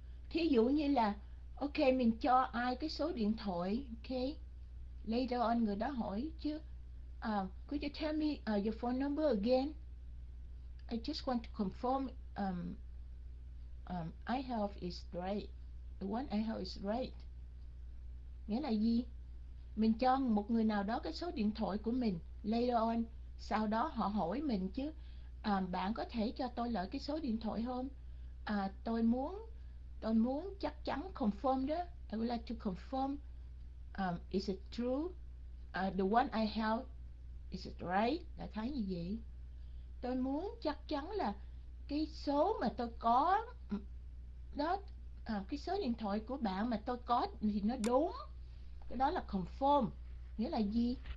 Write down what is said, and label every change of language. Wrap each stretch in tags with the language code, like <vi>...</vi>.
<vi>Thí dụ như là ok, mình cho ai cái số điện thoại, ok,</vi> <en>later on</en> <vi>người đó hỏi chứ</vi> <en>could you tell me your phone number again, I just want to confirm I have is right, the one I have is right.</en> <vi>Nghĩa là gì? Mình cho một người nào đó cái số điện thoại của mình,</vi> <en>later on</en> <vi>sau đó họ hỏi mình chứ bạn có thể cho tôi lại cái số điện thoại không, tôi muốn chắc chắn confirm đó.</vi> <en>I would like to confirm is it true, the one I have is it right,</en> <vi>là thấy như vậy. Tôi muốn chắc chắn là cái số mà tôi có đó, cái số điện thoại của bạn mà tôi có thì nó đúng. Cái đó là confirm. Nghĩa là gì?</vi>